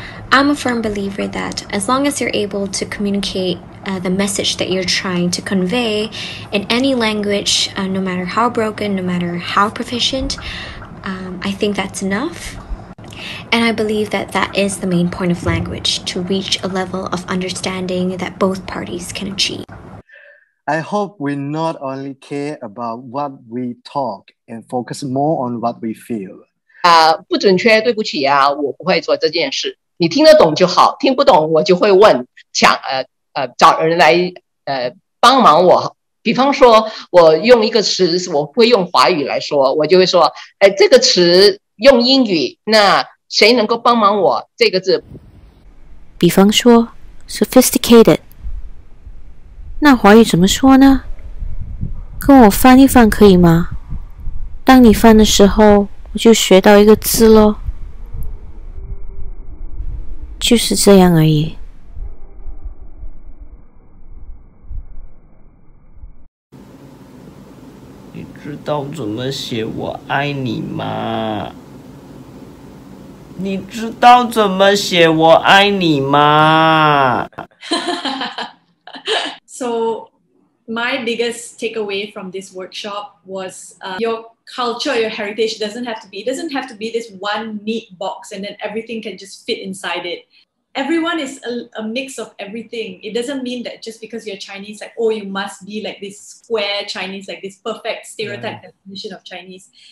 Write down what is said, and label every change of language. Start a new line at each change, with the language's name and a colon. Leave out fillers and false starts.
English: I'm a firm believer that as long as you're able to communicate the message that you're trying to convey in any language, no matter how broken, no matter how proficient, I think that's enough. And I believe that that is the main point of language, to reach a level of understanding that both parties can achieve. I hope we not only care about what we talk and focus more on what we feel.
Chinese: 不准确，对不起啊，我不会做这件事。你听得懂就好，听不懂我就会问，找人来帮忙我。比方说，我用一个词，我会用华语来说，我就会说，这个词用英语，那谁能够帮忙我这个字？比方说 ，sophisticated， 那华语怎么说呢？跟我翻一翻可以吗？当你翻的时候，我就学到一个字咯。就是这样而已。你知道怎么写我爱你吗？你知道怎么写我爱你吗？
English: So my biggest takeaway from this workshop was your culture, your heritage doesn't have to be this one neat box and then everything can just fit inside it. Everyone is a mix of everything. It doesn't mean that just because you're Chinese, like, oh, you must be like this square Chinese, like this perfect stereotype definition of Chinese.